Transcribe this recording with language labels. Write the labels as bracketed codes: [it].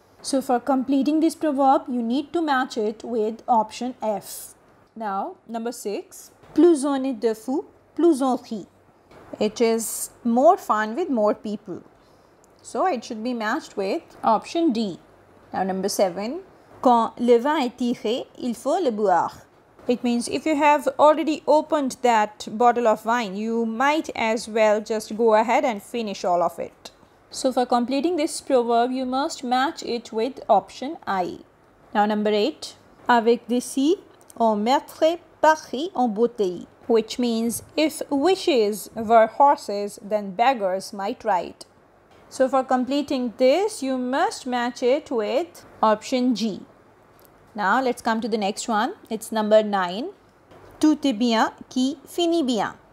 [en] So for completing this proverb, you need to match it with option F. Now, number 6. [fr] Plus on est de fou, plus on rit. [en] It is more fun with more people. So it should be matched with option D. Now, number 7. [fr] Quand le vin est tiré, il faut le boire. [en] It means if you have already opened that bottle of wine, you might as well just go ahead and finish all of it. So for completing this proverb, you must match it with option I. Now, number 8. [fr] Avec des si, on mettrait Paris en beauté. [en] Which means, if wishes were horses, then beggars might ride. So for completing this, you must match it with option G. Now let's come to the next one. It's number 9. [fr] Tout est bien qui finit bien.